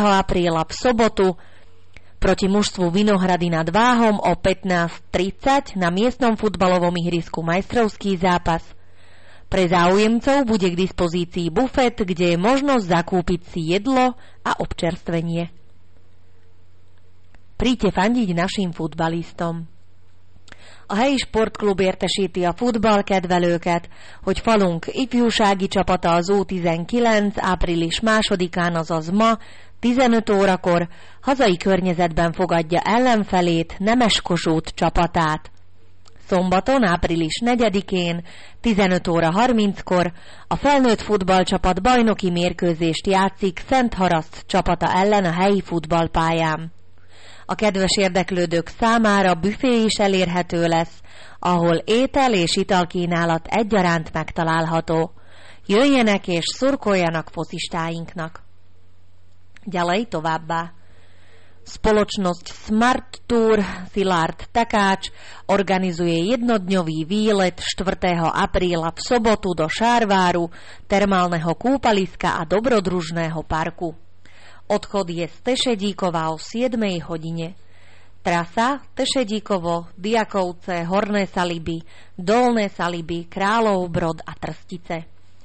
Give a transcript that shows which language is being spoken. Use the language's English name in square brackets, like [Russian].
[Slovak] apríla v sobotu proti mužstvu Vinohrady nad Váhom o 15.30 na miestnom futbalovom ihrisku majstrovský zápas. Pre záujemcov bude k dispozícii bufet, kde je možnosť zakúpiť si jedlo a občerstvenie. Príďte fandiť našim futbalistom. [Hungarian] A helyi sportklub értesíti a futballkedvelőket, hogy falunk ifjúsági csapata az U19 április 2-án, azaz ma, 15 órakor hazai környezetben fogadja ellenfelét, Nemes Kossuth csapatát. Szombaton, április 4-én, 15 óra 30-kor a felnőtt futballcsapat bajnoki mérkőzést játszik Szent Haraszt csapata ellen a helyi futballpályán. A kedves érdeklődők számára büfé is elérhető lesz, ahol étel és italkínálat egyaránt megtalálható. Jöjjenek és szurkoljanak focistáinknak! [Slovak] Ďalej [Hungarian] továbbá. [Slovak] Spoločnosť Smart Tour Szilárd Takács organizuje jednodňový výlet 4. apríla v sobotu do Sárváru, termálneho kúpaliska a dobrodružného parku. Odchod je z Tešedíkova o 7. hodine. Trasa Tešedíkovo, Diakovce, Horné Saliby, Dolné Saliby, Králov Brod a Trstice.